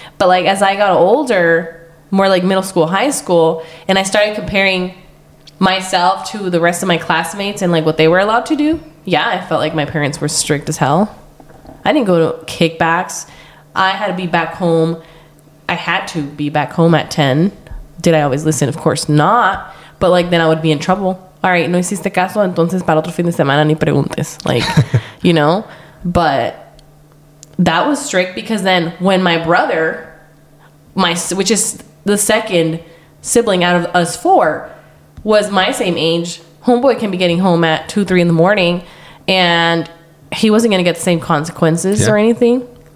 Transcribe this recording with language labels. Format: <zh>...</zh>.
<en>But, like, as I got older, more like middle school, high school, and I started comparing myself to the rest of my classmates and, like, what they were allowed to do, yeah, I felt like my parents were strict as hell. I didn't go to kickbacks. I had to be back home. I had to be back home at 10. Did I always listen? Of course not. But, like, then I would be in trouble.</en> <es>All right, no hiciste caso, entonces para otro fin de semana ni preguntes.</es> <en>Like, you know? But that was strict, because then when my brother, which is the second sibling out of us four, was my same age, homeboy can be getting home at 2, 3 in the morning, and he wasn't going to get the same consequences or anything.</en>